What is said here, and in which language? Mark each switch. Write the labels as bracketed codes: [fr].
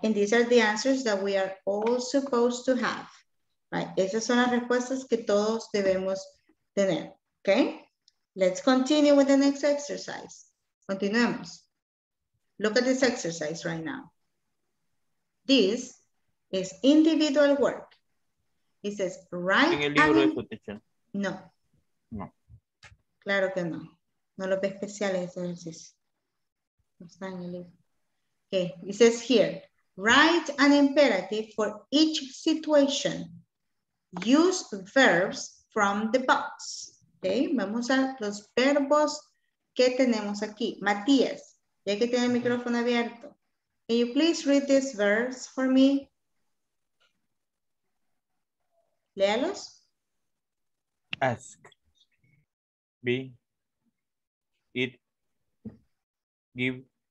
[en] And these are the answers that we are all supposed to have, right? [es] Esas son las respuestas que todos debemos tener, okay? [en] Let's continue with the next exercise. [es] Continuemos. [en] Look at this exercise right now. This is individual work. It says, write. [es] En el libro de cotización. No. No. Claro que no. No lo ve especial ese ejercicio. [en] Okay, it says here, write an imperative for each situation. Use verbs from the box. [es] Okay, vamos a los verbos que tenemos aquí. Matías, ya que tiene el micrófono abierto. [en] Can you please read these verbs for me? [es] Léalos. [en] Ask. Be. Eat. Give.